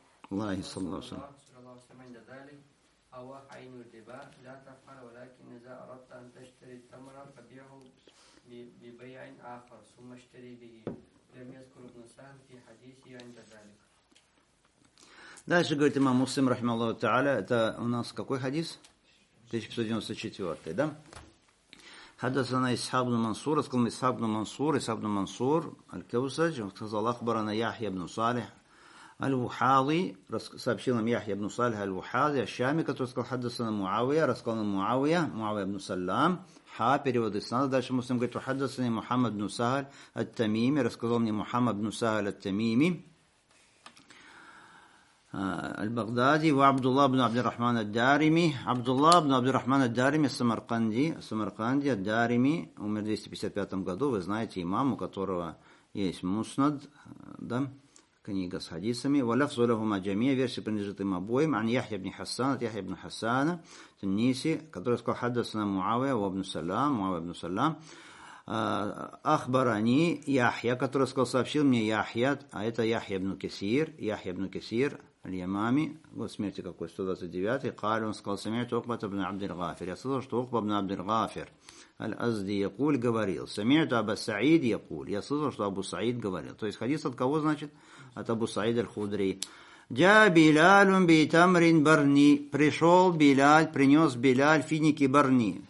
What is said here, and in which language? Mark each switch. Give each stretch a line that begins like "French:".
Arabic: فقال رسول الله صلى الله عليه وسلم عند ذلك أو عين الربا لا تفعل, ولكن إذا أردت أن تشتري التمر فبيعه ببيع آخر ثم اشتري به. لم يذكر ابن سهل في حديثه عند ذلك.
Russian: Дальше говорит имам Муслим, рахмаллаху тааля, это у нас какой хадис? 1594, да?
Arabic: حدثنا إسحاق بن منصور أسكن إسحاق بن منصور إسحاق بن منصور الكوسج وقال أخبرنا يحيى بن صالح الوحاضي
Russian: сообщил нам
Arabic: يحيى بن صالح الوحاضي الشامي
Russian: который сказал
Arabic: حدثنا معاوية
Russian: рассказал нам
Arabic: معاوية معاوية بن سلام ح
Russian: перевод из сна. Дальше муслим говорит
Arabic: حدثنا محمد بن سهل التميمي
Russian: рассказал мне
Arabic: محمد بن سهل التميمي البغدادي وعبد الله بن عبد الرحمن الدارمي. عبد الله بن عبد الرحمن الدارمي السمرقندي الدارمي
Russian: умер в 255 году. Вы знаете имам, у которого есть муснад, да, книга с хадисами.
Arabic: ولفظ لهما جميع,
Russian: версия принадлежит им обоим.
Arabic: عن يحيى بن حسان от يحيى بن حسان تنيسي, который сказал حدثنا معاوية وابن سلام معاوية بن سلام أخبرني يحيى,
Russian: который сказал сообщил мне
Arabic: يحيى,
Russian: а это
Arabic: يحيى بن كثير, يحيى بن كثير Аль-Ямами,
Russian: год смерти какой, 129-й,
Arabic: قال,
Russian: он сказал,
Arabic: самиту Укбата бин Абдель-Гафир.
Russian: Я слышал, что Укба бин Абдель-Гафир, Аль-Азди Якуль, говорил, самиту Абу Саид Якуль. Я слышал, что Абу Саид говорил. То есть хадис от кого, значит? От Абу Саид Аль-Худри.
Arabic: «Джа Билалум Битамрин Барни».
Russian: Пришел Биляль, принес Биляль финики Барни.